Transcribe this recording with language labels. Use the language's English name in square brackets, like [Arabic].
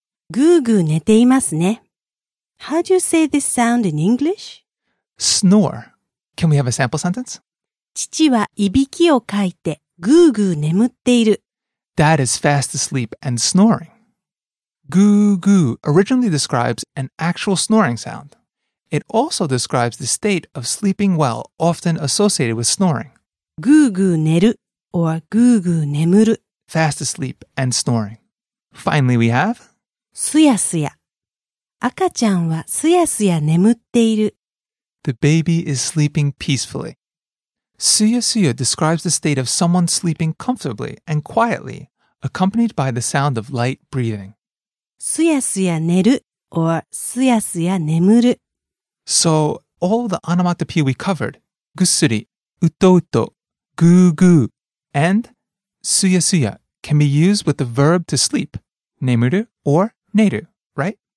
[Japanese] グーグー寝ていますね。 [English] How do you say this sound in English? Snore. Can we have a sample sentence? [Japanese] 父はいびきをかいてグーグー眠っている。 [English] Dad is fast asleep and snoring. グーグー originally describes an actual snoring sound. It also describes the state of sleeping well often associated with snoring. [Japanese] グーグー寝る or グーグー眠る。 [English] Fast asleep and snoring. Finally, we have [Japanese] すやすや。赤ちゃんはすやすや眠っている。 [English] The baby is sleeping peacefully. Suya Suya describes the state of someone sleeping comfortably and quietly, accompanied by the sound of light breathing. [Japanese] Suya Suya neru or Suya Suya nemuru. [English] So, all the onomatopoeia we covered, Gusuri, Utouto, Gugu, and Suya Suya can be used with the verb to sleep, nemuru or neru, right?